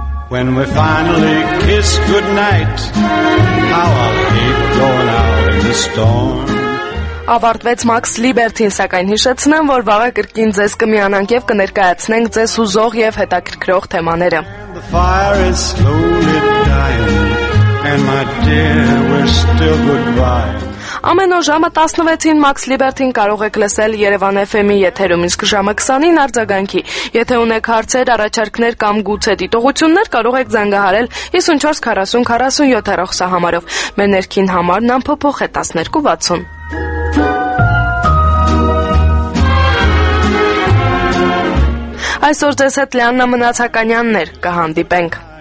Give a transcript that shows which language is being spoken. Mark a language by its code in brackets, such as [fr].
[en] When we finally kiss goodnight, how I'll hate going out in the storm. [hy] Ավարտվեց Մաքս Լիբերտին, սակայն հիշեցնեմ, որ վաղը կրկին ձեզ կմիանանք և կներկայացնենք ձեզ հուզող և հետաքրքրող թեմաները. [en] And the fire is slowly dying, and my dear, we're still goodbye. [hy] Ամենօր ժամը 16-ին Մաքս Լիբերտին կարող եք լսել Երևան FM-ի եթերում, իսկ ժամը 20-ին արձագանքի։ Եթե ունեք հարցեր, առաջարկներ կամ գուցե դիտողություններ, կարող եք զանգահարել 54-40-47 հեռախոսահամարով։ Մեր ներքին համարն ամփոփող է 1260։ Այսօր ձեզ հետ Լիաննա Մնացականյանն էր, կհանդիպենք։